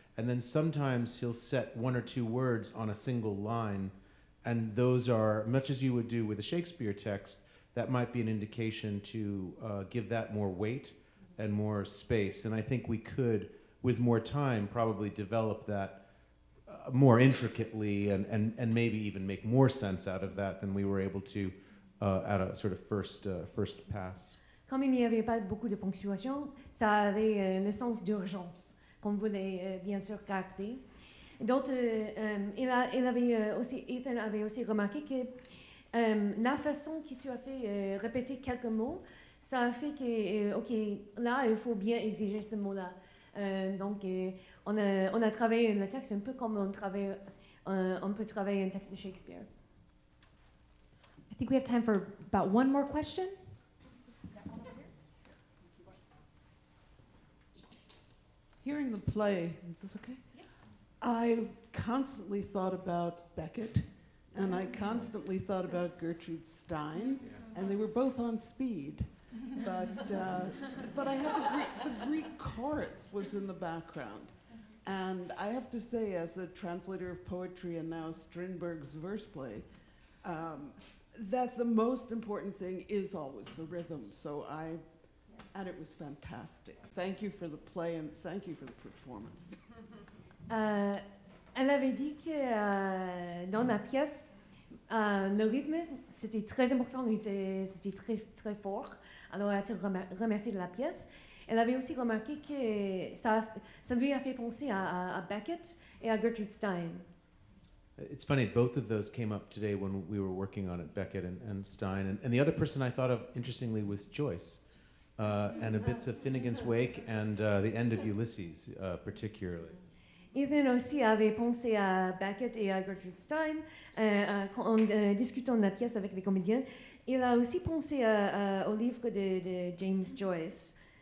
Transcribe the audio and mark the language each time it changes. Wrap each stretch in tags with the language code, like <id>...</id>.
<en>And then sometimes he'll set one or two words on a single line, and those are, much as you would do with a Shakespeare text, that might be an indication to give that more weight. and more space. And I think we could, with more time, probably develop that more intricately and maybe even make more sense out of that than we were able to at a sort of first pass.</en> <fr>Comme il n'y avait pas beaucoup de ponctuation, ça avait le sens d'urgence, qu'on voulait bien sûr capter. D'autres, Ethan avait aussi remarqué que la façon que tu as fait répéter quelques mots, ça a fait que, OK, là, il faut bien exiger ce mot-là. Donc, on a travaillé le texte un peu comme on peut travailler un texte de Shakespeare.</fr> <en>I think we have time for about one more question. Hearing the play, is this okay? Yeah. I constantly thought about Beckett, and I constantly thought about Gertrude Stein, yeah. And they were both on speed. But I have the Greek chorus was in the background. And I have to say, as a translator of poetry and now Strindberg's verse play, that the most important thing is always the rhythm. And it was fantastic. Thank you for the play and thank you for the performance.</en> <fr>Elle avait dit que dans la pièce, le rythme, c'était très important et c'était très, très fort. Alors, elle a été remerciée de la pièce. Elle avait aussi remarqué que ça lui a fait penser à Beckett et à Gertrude Stein.</fr> <en>It's funny, both of those came up today when we were working on it, Beckett and Stein. And the other person I thought of, interestingly, was Joyce. And a bits of Finnegan's Wake and the end of Ulysses, particularly.</en> <fr>Ethan aussi avait pensé à Beckett et à Gertrude Stein en discutant de la pièce avec les comédiens. Il a aussi pensé au livre de James Joyce.</fr>